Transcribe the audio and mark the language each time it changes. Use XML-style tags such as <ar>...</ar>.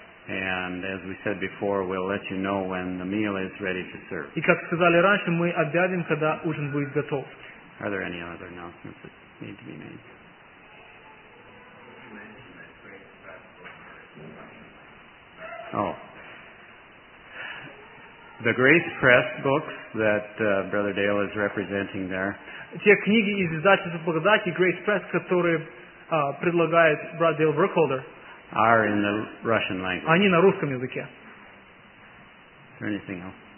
<en>And as we said before, we'll let you know when the meal is ready to serve.</en> <ru>И как сказали раньше, мы объявим, когда ужин будет готов.</ru> <en>Are there any other announcements that need to be made? Oh, the Grace Press books that Brother Dale is representing there.</en> <ru>Те книги из издательства Благодати Grace Press, которые предлагает Брат Дейл Веркхолдер.</ru> <en>Are in the Russian language.</en> <ru>Они на русском языке.</ru> <en>Is there anything else?</en>